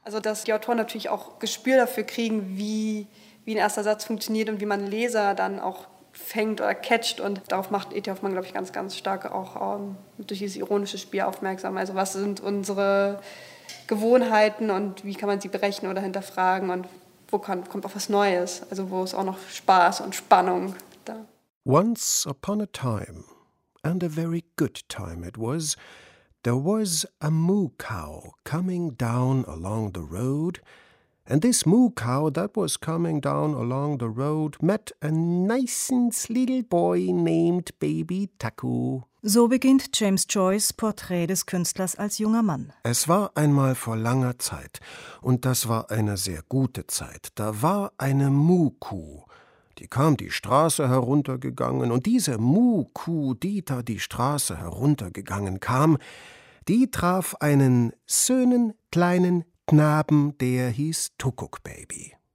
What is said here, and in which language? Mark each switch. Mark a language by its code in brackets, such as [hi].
[de] Also, dass die Autoren natürlich auch Gespür dafür kriegen, wie ein erster Satz funktioniert und wie man Leser dann auch fängt oder catcht. Und darauf macht E.T. Hoffmann, glaube ich, ganz, ganz stark auch durch dieses ironische Spiel aufmerksam. Also, was sind unsere Gewohnheiten und wie kann man sie brechen oder hinterfragen? Und wo kommt auch was Neues? Also, wo ist auch noch Spaß und Spannung da? [en] Once upon a time. And a very good time it was. There was a moo cow coming down along the road. And this moo cow that was coming down along the road met a nicens little boy named Baby Taku. [de] So beginnt James Joyce' Porträt des Künstlers als junger Mann. Es war einmal vor langer Zeit, und das war eine sehr gute Zeit, da war eine Moo-Kuh. Die kam die Straße heruntergegangen, und diese Mu-Kuh, die da die Straße heruntergegangen kam, die traf einen schönen kleinen Knaben, der hieß Tuckuck-Baby.